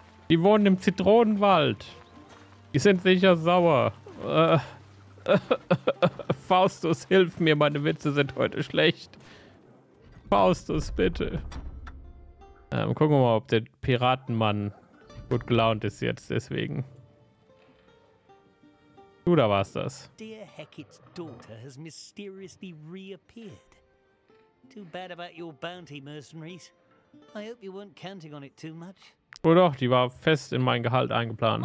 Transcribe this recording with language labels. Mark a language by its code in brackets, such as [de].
[de] Die wohnen im Zitronenwald. Die sind sicher sauer. Faustus, hilf mir, meine Witze sind heute schlecht. Faustus, bitte. Gucken wir mal, ob der Piratenmann gut gelaunt ist jetzt, deswegen. Du, da war's das. [en] Dear Hecate's daughter has mysteriously reappeared. Too bad about your bounty, mercenaries. I hope you weren't counting on it too much. [de] Oh doch, die war fest in mein Gehalt eingeplant.